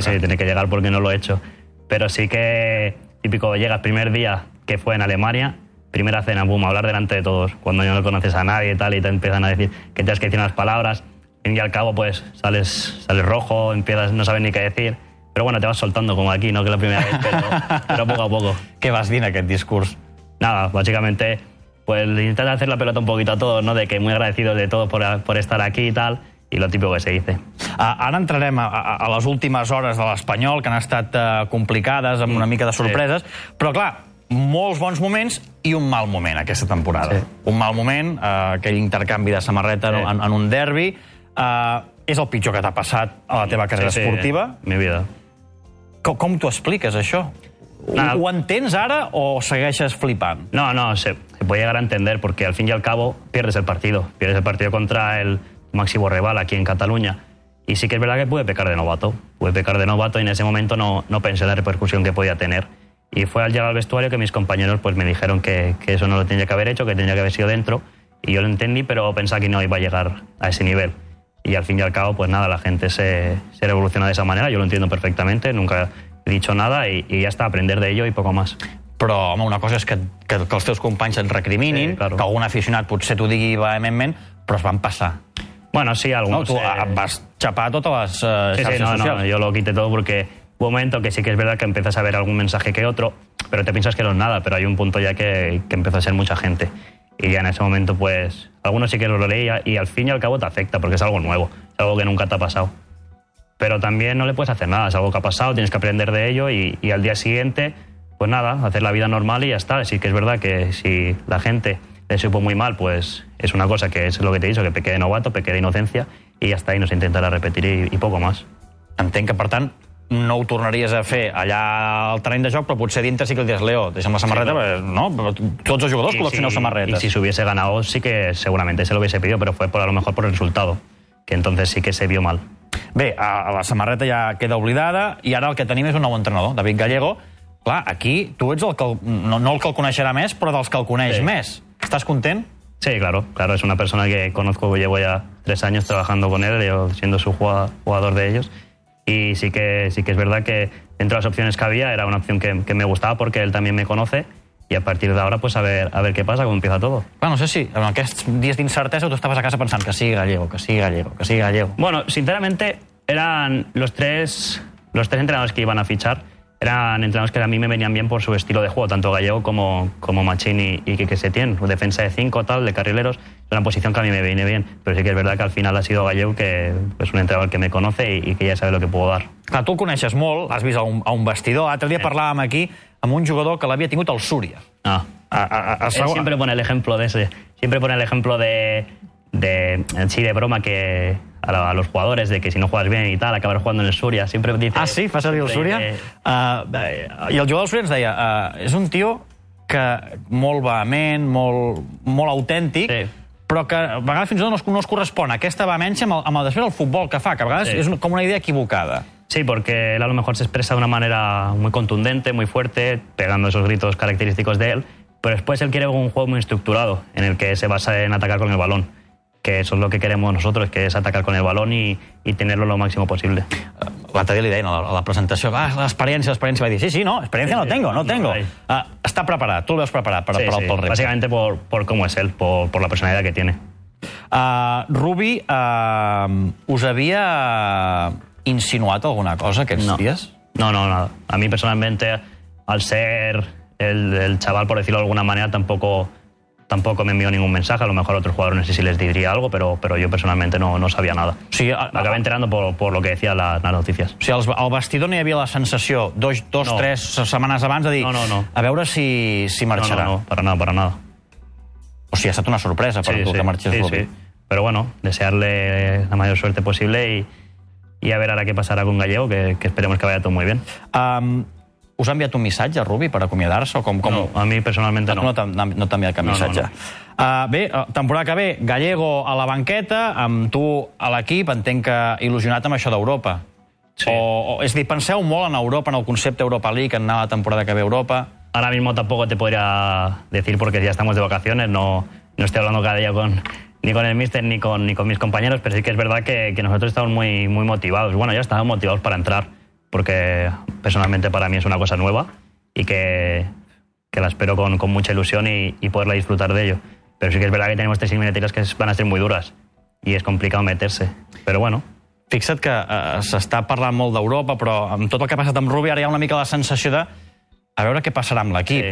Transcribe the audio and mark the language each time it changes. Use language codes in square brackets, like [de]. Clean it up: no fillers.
[es] Sí, tiene que llegar porque no lo he hecho. Pero sí que, típico, llega el primer día que fue en Alemania, primera cena, boom, hablar delante de todos, cuando ya no conoces a nadie y tal, y te empiezan a decir que tienes que decir unas palabras, y al cabo, pues, sales rojo, empiezas, no sabes ni qué decir, pero bueno, te vas soltando como aquí, ¿no?, que la primera vez, pero poco a poco. [ca] ¿Qué vas dir en aquest discurs? [es] Nada, básicamente, pues, intentas hacer la pelota un poquito a todos, ¿no?, de que muy agradecido de todos por estar aquí y tal, y lo típico que se dice. [ca] Ara entrarem a les últimes hores de l'Espanyol, que han estat complicades, amb una mica de sorpreses, sí. Però clar, molts bons moments i un mal moment aquesta temporada. Sí. Un mal moment, aquell intercanvi de samarreta, sí, en un derbi. És el pitjor que t'ha passat a la teva carrera, sí, sí, esportiva. [es] Sí, mi vida. [ca] Com t'ho expliques, això? Ho entens ara o segueixes flipant? [es] No, se puede llegar a entender, porque al fin y al cabo pierdes el partido contra el máximo rival aquí en Cataluña. Y sí que es verdad que pude pecar de novato y en ese momento no pensé en la repercusión que podía tener. Y fue al llegar al vestuario que mis compañeros pues me dijeron que eso no lo tenía que haber hecho, que tenía que haber sido dentro. Y yo lo entendí, pero pensaba que no iba a llegar a ese nivel. Y al fin y al cabo, pues nada, la gente se revoluciona de esa manera. Yo lo entiendo perfectamente, nunca he dicho nada y ya está, aprender de ello y poco más. [ca] Però, home, una cosa és que els teus companys et recriminin, [es] sí, claro, [ca] que algun aficionat potser t'ho digui vehementment, però es van passar. [es] Bueno, sí, algunos... No, tú vas chapar todas las xarxes sociales. No, yo lo quité todo porque hubo un momento que sí que es verdad que empiezas a ver algún mensaje que otro, pero te piensas que no es nada, pero hay un punto ya que empezó a ser mucha gente. Y ya en ese momento, pues, algunos sí que lo leía y al fin y al cabo te afecta porque es algo nuevo, es algo que nunca te ha pasado. Pero también no le puedes hacer nada, es algo que ha pasado, tienes que aprender de ello y al día siguiente, pues nada, hacer la vida normal y ya está. Sí que es verdad que si la gente... Le supo muy mal, pues es una cosa que es lo que te he dicho, que pequé de novato, pequé de inocencia y ya está, y no se intentará repetir y poco más. [ca] Entenc que, per tant, no ho tornaries a fer allà al terreny de joc, però potser dintre sí que el dies, Leo, deixa'm la samarreta, sí, però... Però, no? Tots els jugadors col·leccioneu samarretes. [es] I si s'hubiese ganado, sí que seguramente se lo hubiese pedido, pero fue por a lo mejor por el resultado, que entonces sí que se vio mal. [ca] Bé, a la samarreta ja queda oblidada i ara el que tenim és un nou entrenador, David Gallego. Clar, aquí tu ets el que... No el que el coneixerà més, però dels que el coneix, sí, més. [es] ¿Estás contento? Sí, claro, es una persona que conozco, llevo ya 3 años trabajando con él, yo siendo su jugador de ellos, y sí que es verdad que dentro de las opciones que había era una opción que me gustaba porque él también me conoce, y [ca] a partir d'ara [es] pues a ver qué pasa, cómo empieza todo. [ca] Bueno, no sé si en aquests dies d'incertesa tu [es] estabas a casa pensando [ca] que sigui Gallego. [es] Bueno, sinceramente eran los tres entrenadores que iban a fichar. Eran entrenadores que a mí me venían bien por su estilo de juego, tanto Gallego como Machín y Quique Setién, defensa de 5, tal, de carrileros, es una posición que a mí me viene bien. Pero sí que es verdad que al final ha sido Gallego, que es un entrenador que me conoce y que ya sabe lo que puedo dar. [ca] Clar, tu el coneixes molt, has vist a un vestidor. L'altre dia parlàvem aquí amb un jugador que l'havia tingut al Súria. [es] Ah, a siempre pone el ejemplo de ese. Siempre pone el ejemplo de broma que... a los jugadores, de que si no juegas bien y tal, acabar jugando en el Súria, siempre dice... [ca] Ah, sí, fa servir el Súria. I el jugador del Súria ens deia, és un tio que molt vehement, molt autèntic, sí, però que a vegades fins i tot no es correspon a aquesta vehemència amb el després del futbol que fa, que a vegades, sí, és com una idea equivocada. [es] Sí, porque él a lo mejor se expresa de una manera muy contundente, muy fuerte, pegando esos gritos característicos de él, pero después él quiere un juego muy estructurado, en el que se basa en atacar con el balón. que eso es lo que queremos nosotros, que es atacar con el balón y tenerlo lo máximo posible. [ca] L'altre dia li deien a la presentació, l'experiència, va dir, sí, no, experiència no tengo. Està preparat, tu el veus preparat per, sí, per, sí, pel repte. Bàsicament per com és ell, per la personalitat que té. Rubi, us havia insinuat alguna cosa aquests dies? No. A mi personalment, al ser el xaval, per dir-ho d'alguna manera, tampoc... [es] Tampoco me envió ningún mensaje, a lo mejor otros jugadores no sé si les diría algo, pero yo personalmente no sabía nada. Sí, acabé enterando por lo que decía las noticias. [ca] O sea, al vestidor no hi havia la sensació tres setmanes abans de dir no. A veure si marxarà. [es] No, para nada. [ca] O sea, ha estat una sorpresa per tu que marxes. Sí. [es] Pero bueno, desearle la mayor suerte posible y a ver ahora qué pasará con Gallego, que esperemos que vaya todo muy bien. [ca] Us ha enviat un missatge, Rubi, per acomiadar-se? No, a mi personalment no. No t'ha enviat cap missatge. No. Bé, temporada que ve, Gallego a la banqueta, amb tu a l'equip, entenc que il·lusionat amb això d'Europa. Sí. O, és a dir, penseu molt en Europa, en el concepte Europa League, en anar la temporada que ve a Europa. [es] Ara mismo tampoco te podría decir, porque ya estamos de vacaciones, no estoy hablando cada día ni con el míster ni con mis compañeros, pero sí que es verdad que nosotros estamos muy, muy motivados. Bueno, ya estamos motivados para entrar, porque personalmente para mí es una cosa nueva y que la espero con mucha ilusión y poderla disfrutar de ello. Pero sí que es verdad que tenemos tres eliminatorias que van a ser muy duras y es complicado meterse, pero bueno. [ca] Fixa't que s'està parlant molt d'Europa, però amb tot el que ha passat amb Rubi ara hi ha una mica la sensació de a veure què passarà amb l'equip.